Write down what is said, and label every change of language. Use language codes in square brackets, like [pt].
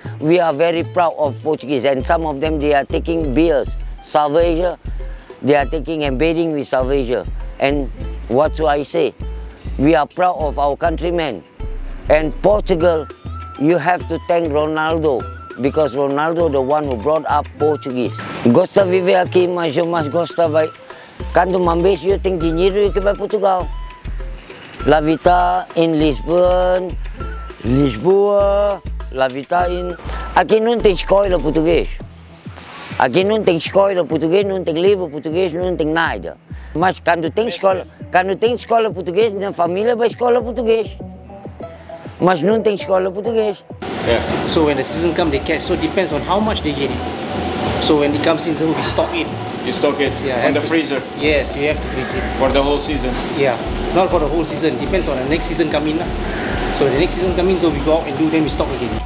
[en] We are very proud of Portuguese and some of them, they are taking beers, cerveja, they are taking and bathing with cerveja. And what do I say? We are proud of our countrymen. And Portugal, you have to thank Ronaldo, because Ronaldo the one who brought up Portuguese. [pt] Gosta viver aqui, mas eu mais gosto vai. Quando uma vez eu tenho dinheiro, eu quero ir para Portugal. La vida em Lisboa, la vida em... Aqui não tem escola português. Aqui não tem escola português, não tem livro português, não tem nada. Mas quando tem escola português, na família vai escola português. Mas não tem escola português. [en] Yeah. So when the season comes, they catch. So it depends on how much they get it. So when it comes in, so we stock it. You stock it in the freezer? Yes, you have to freeze it. For the whole season? Yeah, not for the whole season. Depends on the next season coming. So the next season coming, so we go out and do them, we stock again.